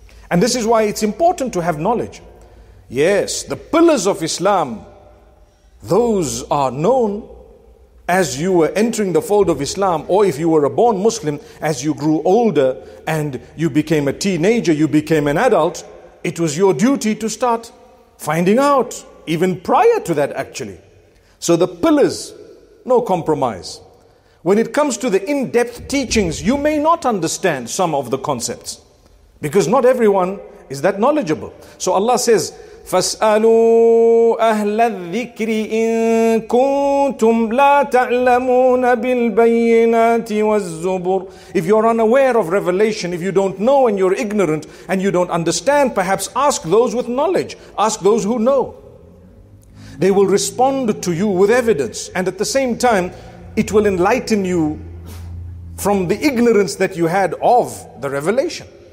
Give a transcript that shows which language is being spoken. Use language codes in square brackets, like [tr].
[en] And this is why it's important to have knowledge. Yes, the pillars of Islam, those are known as you were entering the fold of Islam, or if you were a born Muslim, as you grew older and you became a teenager, you became an adult, it was your duty to start finding out, even prior to that actually. So the pillars, no compromise. When it comes to the in-depth teachings, you may not understand some of the concepts because not everyone is that knowledgeable. So Allah says, [ar] فَاسْأَلُوا أَهْلَ الذِّكْرِ إِن كُنتُمْ لَا تَعْلَمُونَ بِالْبَيِّنَاتِ وَالزُّبُرِ. [en] If you're unaware of revelation, if you don't know and you're ignorant and you don't understand, perhaps ask those with knowledge, ask those who know. They will respond to you with evidence, and at the same time, it will enlighten you from the ignorance that you had of the revelation.